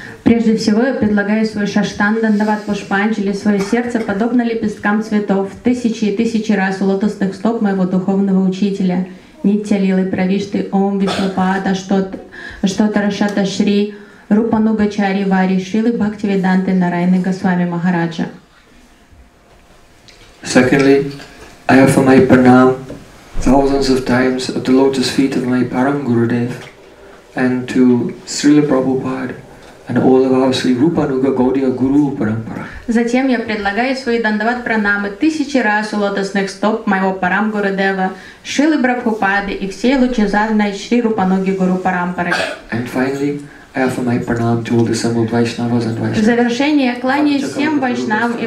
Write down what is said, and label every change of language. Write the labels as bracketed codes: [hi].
[ru] Прежде всего я предлагаю свой шаштан Дандават Пушпанджали, свое сердце, подобно лепесткам цветов, тысячи и тысячи раз у лотосных стоп моего духовного учителя. Нитялилы правишты Ом Вишнупада Штотарашата Шри Рупанугачари Вари Шилы Бхакти Веданты Нарайны Госвами Махараджа. [en] Secondly, I offer my pranam thousands of times at the lotus feet of my Param Gurudev and to Srila Prabhupada and all of our Sri Rupanuga Gaudiya Guru Parampara. [ru] Затем я предлагаю свои дандават пранамы тысячи раз у лотосных стоп моего Парам Гурудева, Шрилы Прабхупады и всей лучезарной Шри Рупануги Гуру Парампары. [en] And finally, I offer my pranam to all the assembled Vaishnavas and Vaishnavas. [ru] В завершение я кланяюсь всем Вайшнавам и